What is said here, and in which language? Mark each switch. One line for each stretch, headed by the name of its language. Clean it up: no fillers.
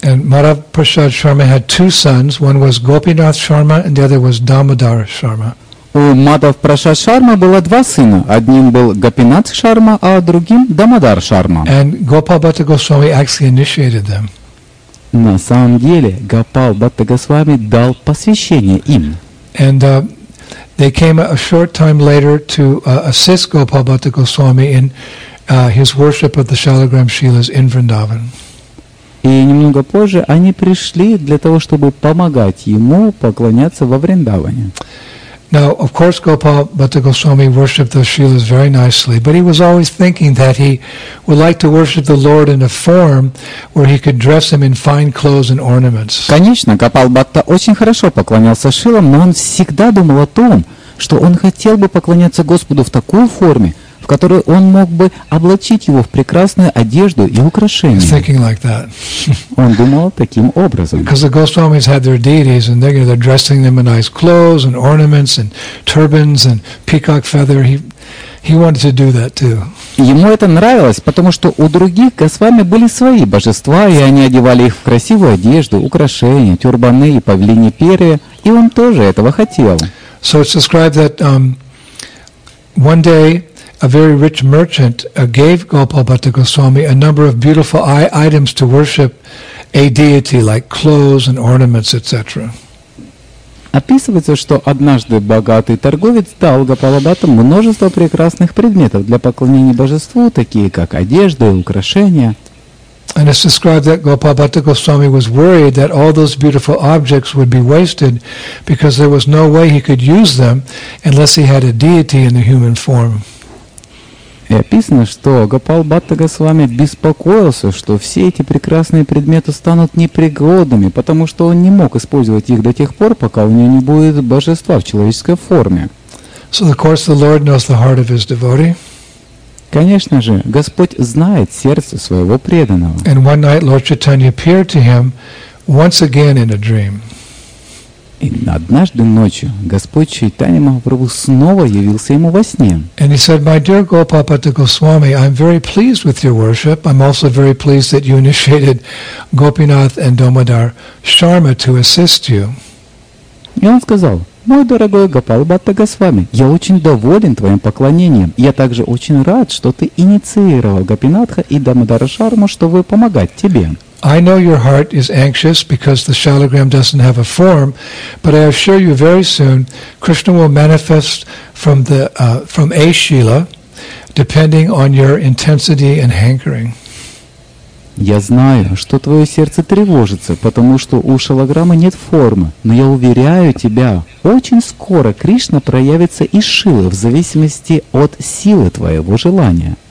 English: And Мадхав Прасад Шарма had two sons. One was Гопинат Шарма, and the other was Дамодар Шарма.
Russian: У Мадхав Прасад Шарма было два сына. Одним был Гопинат Шарма, а другим Дамодар Шарма.
English: And Gopal Bhatta Goswami actually initiated them.
Russian: На самом деле Гопал Бхатта Госвами дал посвящение им.
English: And they came a short time later to assist Gopal Bhatta Goswami in his worship of the Shalagram Srilas in Vrindavan.
Russian: И немного позже они пришли для того, чтобы помогать ему поклоняться во Вриндаване.
English: Now, of course, Gopal Bhatta Goswami worshipped the Srilas very nicely, but he was always thinking that he would like to worship the Lord in a form where he could dress him in fine clothes and ornaments.
Russian: Конечно, Гопал Бхатта очень хорошо поклонялся Шилам, но он всегда думал о том, что он хотел бы поклоняться Господу в такой форме, в которой он мог бы облачить его в прекрасную одежду и украшения.
English: Like
Russian: он думал таким образом.
English: Because the Goswamis had their deities, and they're dressing them in nice clothes and ornaments and turbans and peacock feather. He wanted to do that too.
Russian: Ему это нравилось, потому что у других Госвами были свои божества, и они одевали их в красивую одежду, украшения, тюрбаны и павлини перья, и он тоже этого хотел.
English: So it's described that one day a very rich merchant gave Gopal Bhatta Goswami a number of beautiful items to worship a deity, like clothes and ornaments, etc.
Russian: Описывается, что однажды богатый торговец дал Гопалу Бхатте множество прекрасных предметов для поклонения божеству, такие как одежды, украшения.
English: And it's described that Gopal Bhatta Goswami was worried that all those beautiful objects would be wasted because there was no way he could use them unless he had a deity in the human form.
Russian: И описано, что Гопал Бхатта Госвами беспокоился, что все эти прекрасные предметы станут непригодными, потому что он не мог использовать их до тех пор, пока у него не будет божества в человеческой форме.
English: So, of course, the Lord knows the heart of his devotee.
Russian: Конечно же, Господь знает сердце своего преданного.
English: And one night Lord Chaitanya appeared to him once again in a dream.
Russian: И однажды ночью Господь Чайтанья Махапрабху снова явился ему во сне.
English: And he said, "My dear Gopapata Goswami, I'm very pleased with your worship. I'm also very pleased that you initiated Gopinath and Damodar Sharma to assist you."
Russian: И он сказал: «Мой дорогой Гопалбатта Госвами, я очень доволен твоим поклонением. Я также очень рад, что ты инициировал Гопинатха и Дамодара Шарму, чтобы помогать тебе».
English: I know your heart is anxious because the Shalagram doesn't have a form, but I assure you very soon Krishna will manifest from the from a Shila, depending on your intensity and hankering.
Russian: Я знаю, что твое сердце тревожится, потому что у шалограммы нет формы, но я уверяю тебя, очень скоро Кришна проявится из шилы в зависимости от силы твоего желания.